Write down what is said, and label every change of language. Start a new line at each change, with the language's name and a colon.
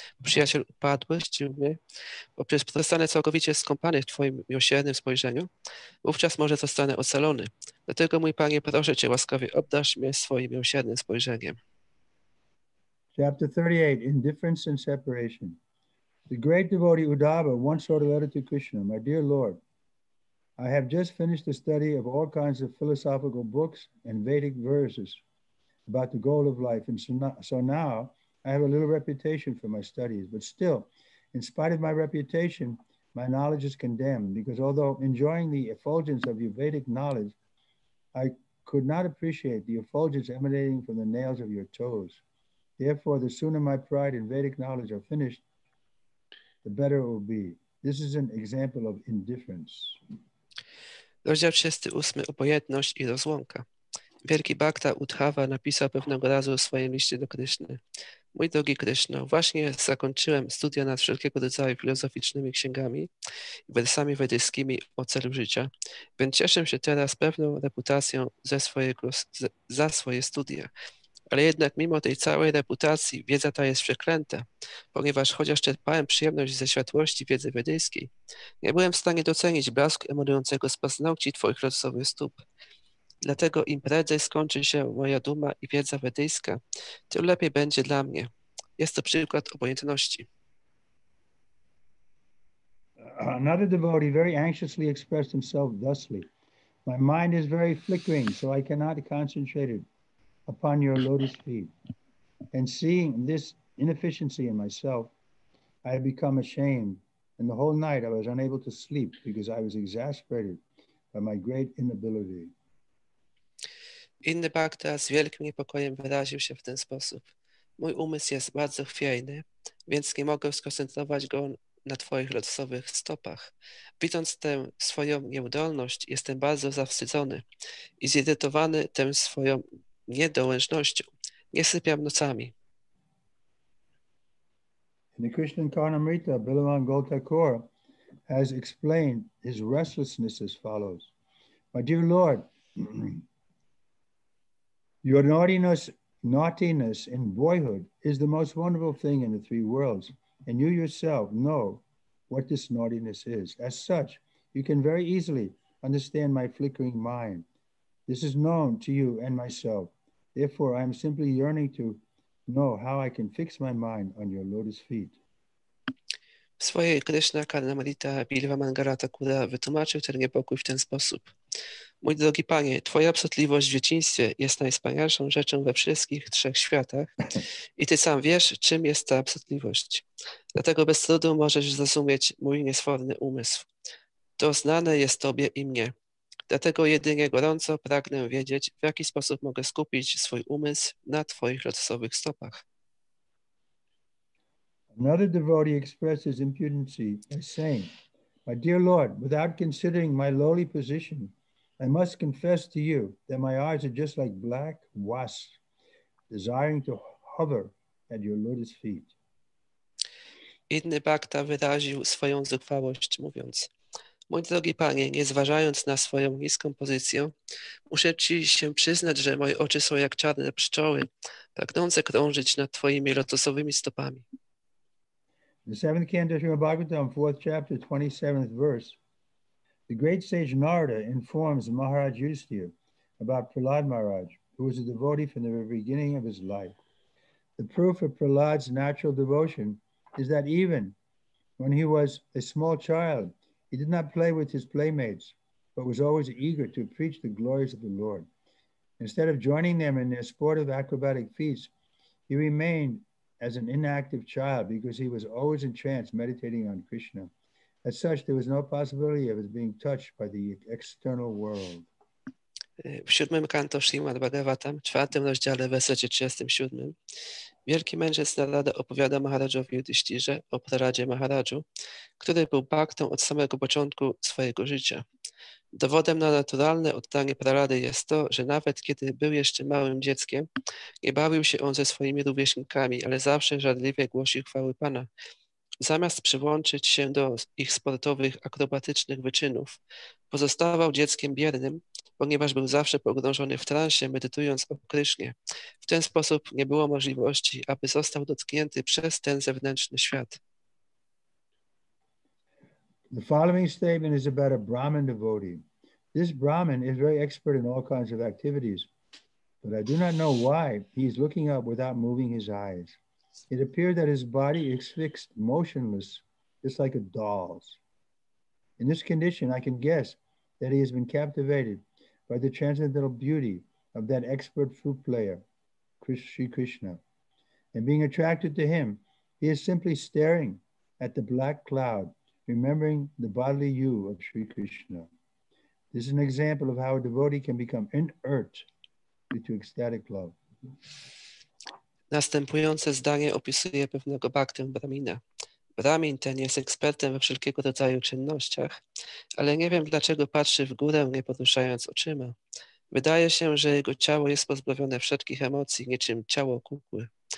Polish: przyjaciel upadłeś, poprzez zostanę całkowicie skąpany w Twoim miłosiernym spojrzeniu, wówczas może zostanę ocalony. Dlatego, mój Panie, proszę Cię łaskawie, obdarz mnie swoim miłosiernym spojrzeniem.
English: Chapter 38, Indifference and Separation. The great devotee Uddhava once wrote a letter to Krishna, My dear Lord, I have just finished the study of all kinds of philosophical books and Vedic verses about the goal of life. And so now I have a little reputation for my studies, but still, in spite of my reputation, my knowledge is condemned because although enjoying the effulgence of your Vedic knowledge, I could not appreciate the effulgence emanating from the nails of your toes. Therefore, the sooner my pride and Vedic knowledge are finished, the better it will be. This is an example of indifference.
Polish: Rozdział 38, obojętność i rozłąka. Wielki Bhakta Udhava napisał pewnego razu w swoim liście do Kryszny: Mój drogi Kryszno, właśnie zakończyłem studia nad wszelkiego rodzaju filozoficznymi księgami i wersami wedyjskimi o celu życia, więc cieszę się teraz pewną reputacją za swoje studia. Ale jednak mimo tej całej reputacji wiedza ta jest przeklęta, ponieważ chociaż czerpałem przyjemność ze światłości wiedzy wedyjskiej, nie byłem w stanie docenić blasku emanującego z paznokci Twoich lotosowych stóp. Dlatego im prędzej skończy się moja duma i wiedza wedyjska, tym lepiej będzie dla mnie. Jest to przykład obojętności.
English: Another devotee very anxiously expressed himself thusly. My mind is very flickering, so I cannot concentrate it upon your lotus feet. And seeing this inefficiency in myself, I have become ashamed. And the whole night I was unable to sleep because I was exasperated by my great inability.
Polish: Inny bhakta z wielkim niepokojem wyraził się w ten sposób. Mój umysł jest bardzo chwiejny, więc nie mogę skoncentrować go na Twoich lotosowych stopach. Widząc tę swoją nieudolność, jestem bardzo zawstydzony i zirytowany tę swoją niedołężnością. Nie sypiam nocami.
English: In the Krishna Karnamrita, Bilwan Goldthakur has explained his restlessness as follows. My dear Lord, your naughtiness naughtiness in boyhood is the most wonderful thing in the three worlds, and you yourself know what this naughtiness is. As such, you can very easily understand my flickering mind. This is known to you and myself. Therefore, I am simply yearning to know how I can fix my mind on your lotus feet.
Polish: W swojej Kryszna Karnamrita Bilvamangara Thakura wytłumaczył ten niepokój w ten sposób. Mój drogi panie, twoja absurdliwość w dzieciństwie jest najwspanialszą rzeczą we wszystkich trzech światach i ty sam wiesz, czym jest ta absurdliwość. Dlatego bez trudu możesz zrozumieć mój niesforny umysł. To znane jest tobie i mnie. Dlatego jedynie gorąco pragnę wiedzieć, w jaki sposób mogę skupić swój umysł na twoich lotosowych stopach.
English: Another devotee expresses impudency by saying, my dear Lord, without considering my lowly position, I must confess to you that my eyes are just like black wasps, desiring to hover at your lotus feet.
Polish: Inny bhakta wyraził swoją zuchwałość, mówiąc, mój drogi panie, nie zważając na swoją niską pozycję, muszę ci się przyznać, że moje oczy są jak czarne pszczoły, pragnące krążyć nad twoimi lotosowymi stopami.
English: The seventh canto of Srimad Bhagavatam, fourth chapter, 27th verse. The great sage Narada informs Maharaj Yudhisthira about Prahlad Maharaj, who was a devotee from the very beginning of his life. The proof of Prahlad's natural devotion is that even when he was a small child, he did not play with his playmates, but was always eager to preach the glories of the Lord. Instead of joining them in their sportive acrobatic feats, he remained as an inactive child because he was always entranced meditating on Krishna. As such, there was no possibility of his being touched by the external world.
Polish: W siódmym kanto Srimad Bhagavatam, czwartym rozdziale, wersecie 37, wielki mędrzec Narada opowiada Maharajowi Yudhisthirze o Praladzie Maharaju, który był bhaktą od samego początku swojego życia. Dowodem na naturalne oddanie Pralady jest to, że nawet kiedy był jeszcze małym dzieckiem, nie bawił się on ze swoimi rówieśnikami, ale zawsze żarliwie głosił chwały Pana. Zamiast przyłączyć się do ich sportowych, akrobatycznych wyczynów, pozostawał dzieckiem biernym, ponieważ był zawsze pogrążony w transie, medytując o Krysznie. W ten sposób nie było możliwości, aby został dotknięty przez ten zewnętrzny świat.
English: The following statement is about a Brahmin devotee. This Brahmin is very expert in all kinds of activities, but I do not know why he is looking up without moving his eyes. It appeared that his body is fixed motionless, just like a doll's. In this condition, I can guess that he has been captivated by the transcendental beauty of that expert flute player, Sri Krishna. And being attracted to him, he is simply staring at the black cloud, remembering the bodily you of Sri Krishna. This is an example of how a devotee can become inert due to ecstatic love.
Polish: Następujące zdanie opisuje pewnego bhaktę Brahmina. Brahmin ten jest ekspertem we wszelkiego rodzaju czynnościach, ale nie wiem, dlaczego patrzy w górę, nie poruszając oczyma. Wydaje się, że jego ciało jest pozbawione wszelkich emocji, niczym ciało kukły.